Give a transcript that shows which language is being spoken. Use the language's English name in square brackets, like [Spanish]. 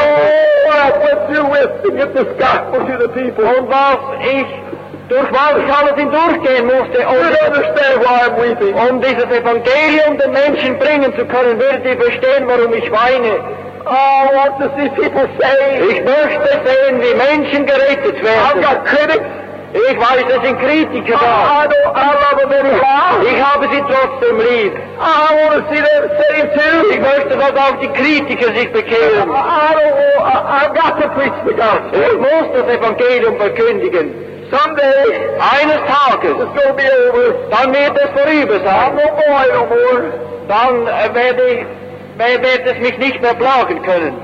[English] Oh, what I went through with to get this gospel to the people. [German] Und was ich durch was ich alles hindurchgehen musste, um dieses Evangelium den Menschen bringen zu können, würden sie verstehen, warum ich weine. [English] Oh, I want to see people saved. [German] Ich möchte sehen, wie Menschen gerettet werden. [English] I've got critics. [German] Ich weiß, es sind Kritiker da. [English] I love them anyhow. [German] Ich habe sie trotzdem lieb. [English] I want to see them saved too. [German] Ich möchte, dass auch die Kritiker sich bekehren. [English] I've got to preach the gospel. [German] Ich muss das Evangelium verkündigen. [English] Someday, [German] eines Tages, [English] it's going to be over. [German] Dann wird es vorüber sein. [English] I'm no boy no more. [German] Dann werde es mich nicht mehr plagen können.